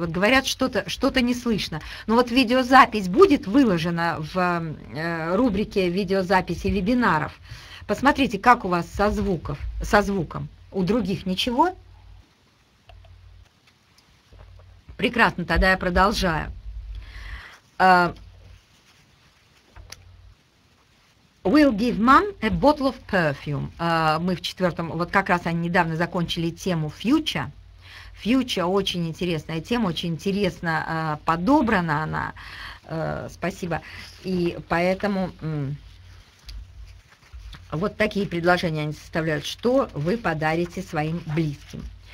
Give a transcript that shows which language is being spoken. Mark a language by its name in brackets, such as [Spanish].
[Russian] Вот говорят, что-то не слышно. Но вот видеозапись будет выложена в рубрике видеозаписи вебинаров. Посмотрите, как у вас со звуком. У других ничего? Прекрасно, тогда я продолжаю. [English] We'll give mom a bottle of perfume. [Russian] Мы в четвертом, вот как раз они недавно закончили тему future. Future – очень интересная тема, очень интересно подобрана она. Спасибо. И поэтому вот такие предложения они составляют, что вы подарите своим близким.